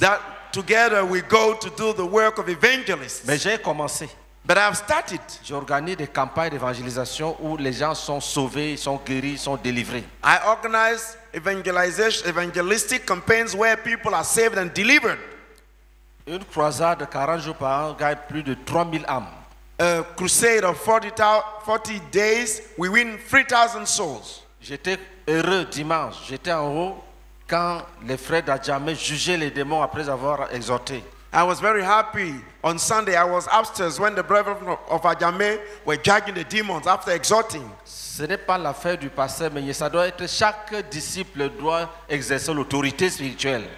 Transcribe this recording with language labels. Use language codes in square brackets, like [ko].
[en] That together we go to do the work of evangelists. [fr] Mais j'ai commencé. [en] But I've started. [fr] J'organise des campagnes d'évangélisation où les gens sont sauvés, sont guéris, sont délivrés. [en] I organize evangelistic campaigns where people are saved and delivered. [fr] Une croisade de 40 jours par an gagne plus de 3000 âmes. [en] A crusade of 40 days, we win 3000 souls. [fr] J'étais heureux dimanche, j'étais en haut. Quand les frères d'Adjamé jugeaient les démons après avoir exhorté. [en] I was very happy on Sunday. I was upstairs when the brethren of Adjamé were judging the demons after exhorting. [fr] Ce n'est pas l'affaire du pasteur, mais ça doit être chaque disciple doit exercer l'autorité spirituelle.